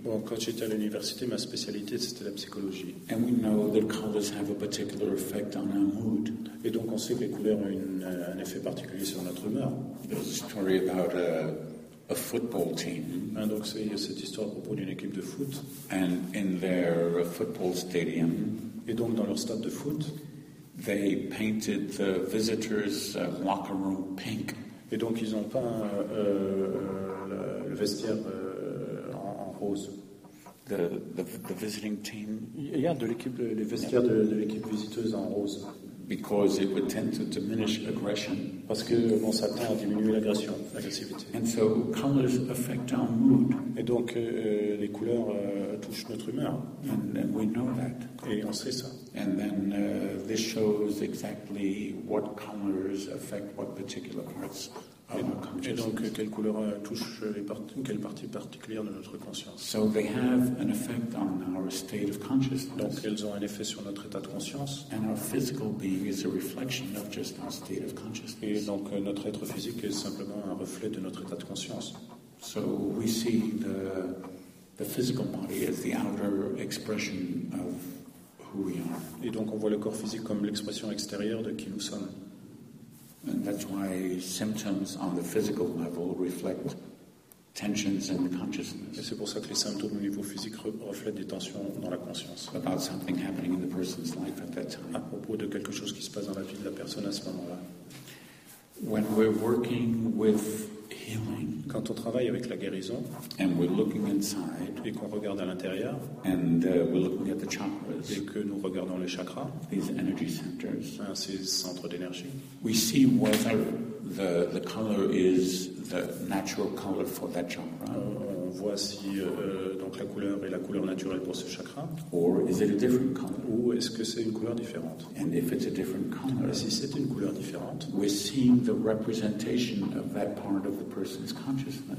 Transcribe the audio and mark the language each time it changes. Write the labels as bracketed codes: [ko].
[fr] Bon, quand j'étais à l'université, ma spécialité c'était la psychologie. [en] And we know that colors have a particular effect on our mood. [fr] Et donc on sait que les couleurs ont un effet particulier sur notre humeur. [en] There's a story about a football team. [fr] Et donc il y a cette histoire à propos d'une équipe de foot. [en] And in their football stadium. [fr] Et donc dans leur stade de foot, [en] they painted the visitors' locker room pink. [fr] Et donc ils ont peint le vestiaire en rose. [en] The visiting team. [fr] Yeah, de l'équipe, les vestiaires de l'équipe visiteuse en rose. [en] Because it would tend to diminish aggression. [fr] Parce que bon, ça tend à diminuer l'aggression, l'agressivité. [en] And so colors affect our mood. [fr] Et donc les couleurs touchent notre humeur. [en] And we know that. [fr] Et on sait ça. [en] And then this shows exactly what colors affect what particular parts. [fr] Et donc, quelle couleur touche quelle partie particulière de notre conscience? [en] So they have an effect on our state of consciousness. [fr] Donc, elles ont un effet sur notre état de conscience. [en] And our physical being is a reflection of just our state of consciousness. [fr] Et donc, notre être physique est simplement un reflet de notre état de conscience. [en] So we see the physical body as the outer expression of who we are. [fr] Et donc, on voit le corps physique comme l'expression extérieure de qui nous sommes. [en] And that's why symptoms on the physical level reflect tensions in the consciousness. [fr] Et c'est pour ça que les symptômes au niveau physique reflètent des tensions dans la conscience. [en] About something happening in the person's life at that time. [fr] À propos de quelque chose qui se passe dans la vie de la personne à ce moment-là. [en] When we're working with healing, [fr] quand on travaille avec la guérison, [en] and we're looking inside, [fr] et qu'on regarde à l'intérieur, [en] and we're looking at the chakras, [fr] et que nous regardons les chakras, [en] these energy centers, [fr] ces centres d'énergie, [en] we see whether the color is the natural color for that chakra. [fr] On voit si donc la couleur est la couleur naturelle pour ce chakra, [en] or is it a different color? [fr] Ou est-ce que c'est une couleur différente? [en] And if it's a different color, [fr] si c'est une couleur différente, [en] we're seeing the representation of that part of the person's consciousness.